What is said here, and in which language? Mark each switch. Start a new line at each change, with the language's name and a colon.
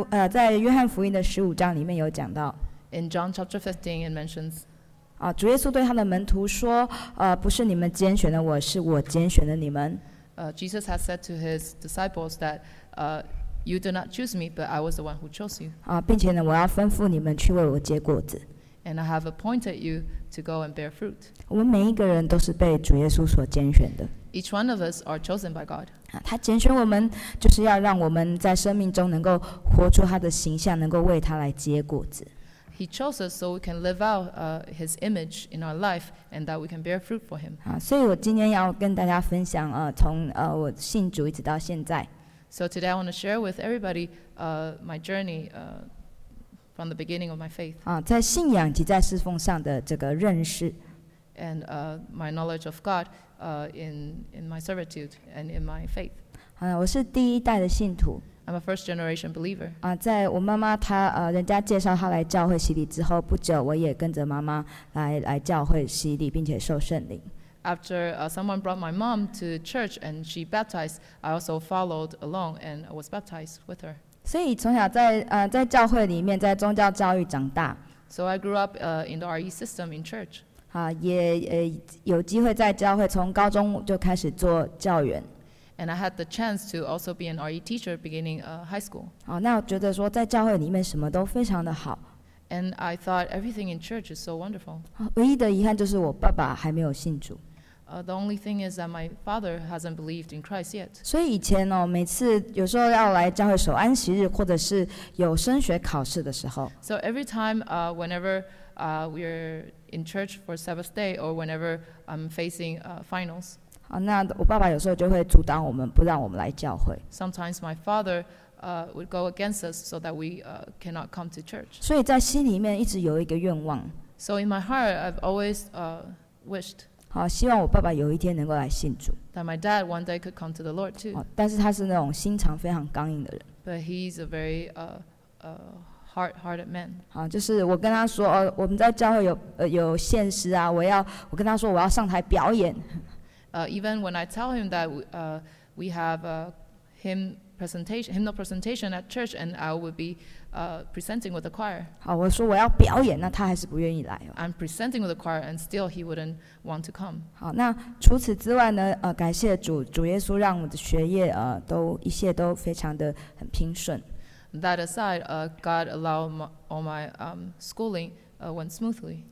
Chinese: 在约翰福音的十五章里面有讲到。
English: In John chapter 15, it mentions.
Chinese: 主耶稣对他的门徒说，不是你们拣选了我，是我拣选了你们。
English: Jesus has said to his disciples that, you do not choose me, but I was the one who chose you.
Chinese: 并且呢，我要吩咐你们去为我结果子。
English: And I have appointed you to go and bear fruit.
Chinese: 我们每一个人都是被主耶稣所拣选的。
English: Each one of us are chosen by God.
Chinese: 他拣选我们，就是要让我们在生命中能够活出他的形象，能够为他来结果子。
English: He chose us so we can live out his image in our life, and that we can bear fruit for him.
Chinese: 所以我今天要跟大家分享，从我信主一直到现在。
English: So today I want to share with everybody, my journey. From the beginning of my faith.
Chinese: 在信仰及在侍奉上的这个认识。
English: And my knowledge of God, in my servitude and in my faith.
Chinese: 我是第一代的信徒。
English: I'm a first generation believer.
Chinese: 在我妈妈她人家介绍她来教会洗礼之后，不久我也跟着妈妈来教会洗礼，并且受圣灵。
English: After someone brought my mom to church and she baptized, I also followed along and was baptized with her.
Chinese: 所以从小在教会里面，在宗教教育长大。
English: So I grew up in the RE system in church.
Chinese: 也有机会在教会，从高中就开始做教员。
English: And I had the chance to also be an RE teacher beginning high school.
Chinese: 那我觉得说在教会里面什么都非常的好。
English: And I thought everything in church is so wonderful.
Chinese: 唯一的遗憾就是我爸爸还没有信主。
English: The only thing is that my father hasn't believed in Christ yet.
Chinese: 所以以前哦，每次有时候要来教会守安息日，或者是有升学考试的时候。
English: So every time, whenever we're in church for Sabbath day, or whenever I'm facing finals.
Chinese: 那我爸爸有时候就会阻挡我们，不让我们来教会。
English: Sometimes my father would go against us so that we cannot come to church.
Chinese: 所以在心里面一直有一个愿望。
English: So in my heart, I've always wished.
Chinese: 希望我爸爸有一天能够来信主。
English: That my dad one day could come to the Lord too.
Chinese: 但是他是那种心肠非常刚硬的人。
English: But he's a very hard-hearted man.
Chinese: 就是我跟他说，我们在教会有现实啊， 我跟他说我要上台表演。
English: Even when I tell him that we have a hymnal presentation at church and I will be presenting with the choir.
Chinese: 好，我说我要表演，那他还是不愿意来。
English: I'm presenting with the choir and still he wouldn't want to come.
Chinese: 好，那除此之外呢，感谢主，主耶稣让我的学业都一切都非常的很平顺。
English: That aside, God allowed all my schooling went smoothly.